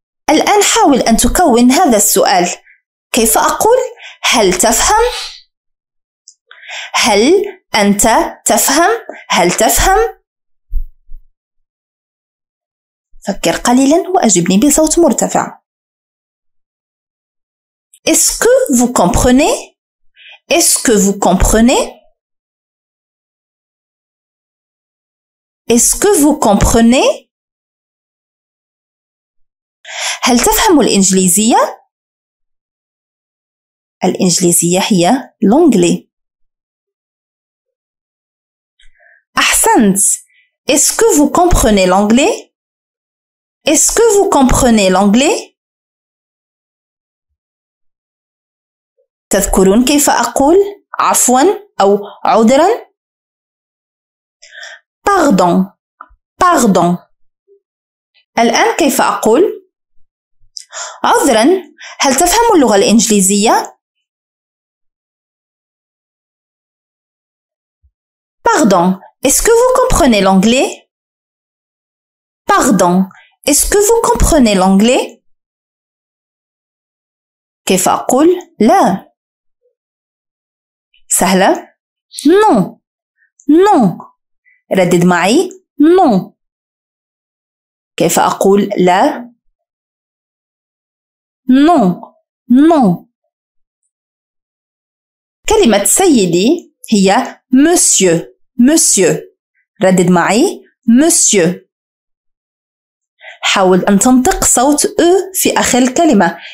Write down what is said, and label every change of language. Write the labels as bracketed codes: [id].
[ar] الآن حاول أن تكون هذا السؤال. كيف أقول هل تفهم؟ هل أنت تفهم؟ هل تفهم؟ فكر قليلا وأجبني بصوت مرتفع. [fr] Est-ce que vous comprenez? Est-ce que vous comprenez? Est-ce que vous comprenez? [ar] هل تفهم الإنجليزية؟ الإنجليزية هي l'anglais. [fr] friends, est-ce que vous comprenez l'anglais? Est-ce que vous comprenez l'anglais? [ar] تذكرون كيف أقول عفوا أو عذرا؟ [fr] Pardon, pardon. [ar] الآن كيف أقول؟ عذرا، هل تفهم اللغة الإنجليزية؟ [fr] Pardon, est-ce que vous comprenez l'anglais? Pardon, est-ce que vous comprenez l'anglais? [ar] كيف أقول؟ لا. سهلة؟ [fr] Non, non. [ar] ردد معي، non. كيف أقول لا؟ [fr] Non, non. [ar] كلمة سيدي هي monsieur. Monsieur. ردد معي monsieur. حاول أن تنطق صوت E في آخر الكلمة.